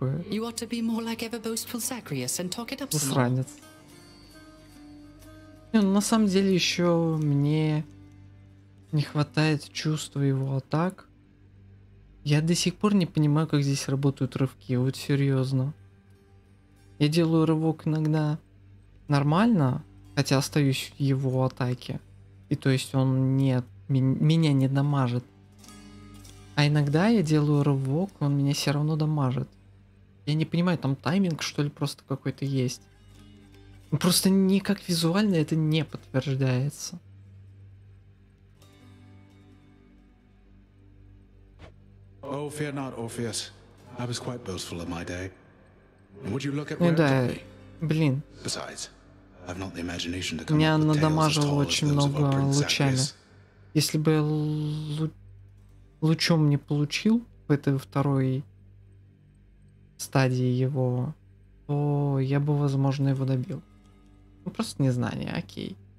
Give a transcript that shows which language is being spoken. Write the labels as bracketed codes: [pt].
[en] You ought to be more like ever boastful Zagreus and talk it up some. [ru] Не, ну на самом деле еще мне не хватает чувства его атак. Я до сих пор не понимаю, как здесь работают рывки, вот серьезно. Я делаю рывок иногда нормально, хотя остаюсь в его атаке. И то есть он не, меня не дамажит. А иногда я делаю рывок, он меня все равно дамажит. Я не понимаю, там тайминг что ли просто какой-то есть. Просто никак визуально это не подтверждается. [en] Oh, fear not, Orpheus. I was quite boastful of my day. Would you look at where I am? [ru] Блин. [en] Besides, I've not the imagination to come up with tales as tall as those of our Prince Zagreus. [ru] Если бы я лучом не получил в этой второй стадии его, то я бы, возможно, его добил. Ну, просто незнание, окей.